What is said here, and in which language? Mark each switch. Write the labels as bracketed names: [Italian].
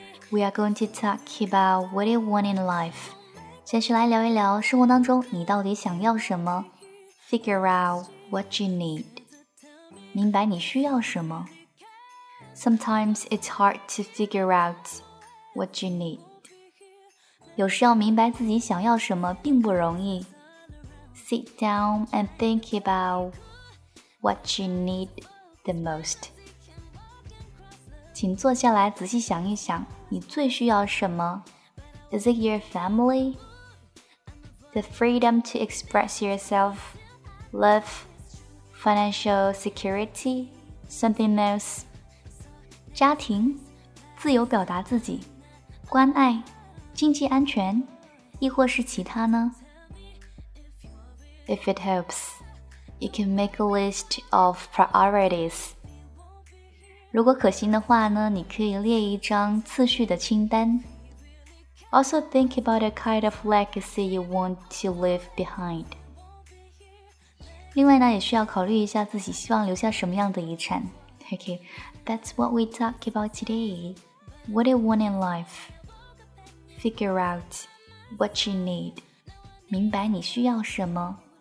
[English] We are going to talk about what you want in life。 [Chinese] 先是来聊一聊生活当中你到底想要什么。 [English] Figure out what you need。明白你需要什么。 Sometimes it's hard to figure out what you need。 [Chinese] 有时要明白自己想要什么并不容易。 [English] Sit down and think about what you needThe most. [Chinese] 请坐下来仔细想一想你最需要什么。 [English] Is it your family? The freedom to express yourself, love, financial security, something else. [Chinese] 家庭，自由表达自己，关爱，经济安全，亦或是其他呢？ [English] If it helps. You can make a list of priorities. [Chinese] 如果可行的话呢，你可以列一张次序的清单。 [English] Also think about the kind of legacy you want to leave behind. [Chinese] 另外呢，也需要考虑一下自己希望留下什么样的遗产。 [English] Okay, that's what we talk about today. What do you want in life? Figure out what you need. 明白你需要什么。